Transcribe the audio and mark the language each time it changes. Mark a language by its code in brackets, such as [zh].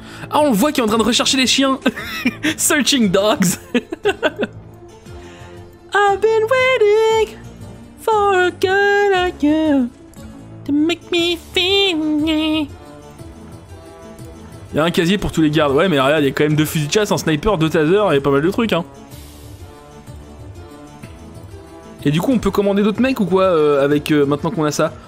[fr] Ah, on le voit qui est en train de rechercher les chiens! [en] Searching dogs! I've been waiting for a girl like you to make me feel me. [fr] Y'a un casier pour tous les gardes. Ouais, mais regarde, y'a quand même deux fusils de chasse, un sniper, deux tasers et pas mal de trucs, hein. Et du coup, on peut commander d'autres mecs ou quoi avec maintenant qu'on a ça?